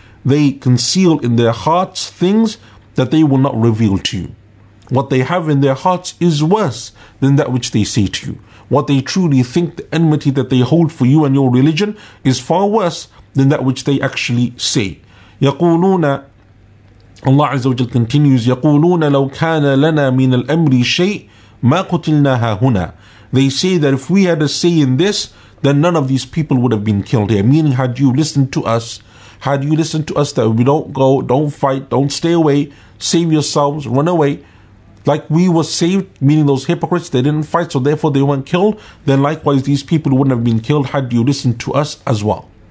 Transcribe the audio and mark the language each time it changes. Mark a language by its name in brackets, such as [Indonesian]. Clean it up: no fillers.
[English] They conceal in their hearts things that they will not reveal to you. What they have in their hearts is worse than that which they say to you. What they truly think, the enmity that they hold for you and your religion, is far worse than that which they actually say. [Arabic] يَقُولُونَ, [English] Allah Azza wa Jal continues, [Arabic] يَقُولُونَ لَوْ كَانَ لَنَا مِنَ الْأَمْرِ شَيْءٍ مَا قُتِلْنَاهَا هُنَا. [English] They say that if we had a say in this, then none of these people would have been killed here. Meaning, had you listened to us, had you listened to us that we don't go, don't fight, don't stay away, save yourselves, run away, like we were saved, meaning those hypocrites, they didn't fight, so therefore they weren't killed, then likewise these people wouldn't have been killed had you listened to us as well.